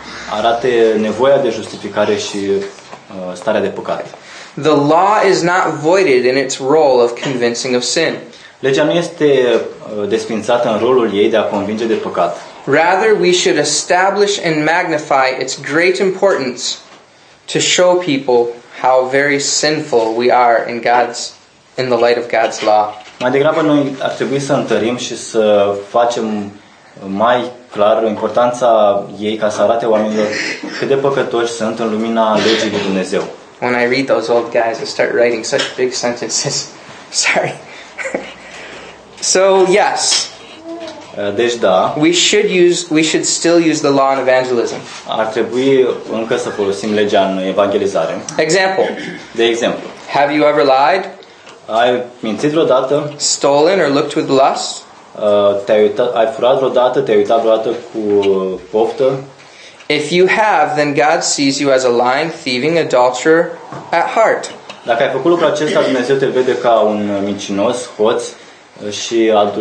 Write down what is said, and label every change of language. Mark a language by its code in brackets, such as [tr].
[ro] arate nevoia de justificare și starea de păcat. [en] The law is not voided in its role of convincing of sin. [ro] Legea nu este desfințată în rolul ei de a convinge de păcat. [en] Rather, we should establish and magnify its great importance to show people how very sinful we are in God's, in the light of God's law. [ro] Mai degrabă noi ar trebui să întărim și să facem mai clar importanța ei ca să arate oamenilor cât de păcătoși sunt în lumina legii lui Dumnezeu. [en] When I read those old guys, I start writing such big sentences. Sorry. So, yes. [ro] Deci, da. [en] We should still use the law in evangelism. [ro] Ar trebui încă să folosim legea în evangelizare. [en] Example. [ro] De exemplu. [en] Have you ever lied? [ro] Ai mințit vreodată? [en] Stolen or looked with lust? [ro] Ai furat vreodată, te-ai uitat vreodată cu poftă? [en] If you have, then God sees you as a lying, thieving adulterer at heart. [ro] Dacă ai făcut lucrul acesta, Dumnezeu te vede ca un mincinos, hoț și